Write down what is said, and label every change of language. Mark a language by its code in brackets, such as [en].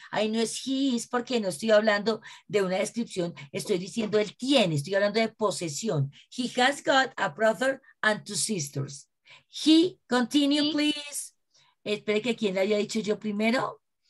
[es] Ahí no es [en] he is [es] porque no estoy hablando de una descripción. Estoy diciendo él tiene. Estoy hablando de posesión. [en] He has got a brother and two sisters. He, continue, please. [es] Espere que quién le haya dicho yo primero.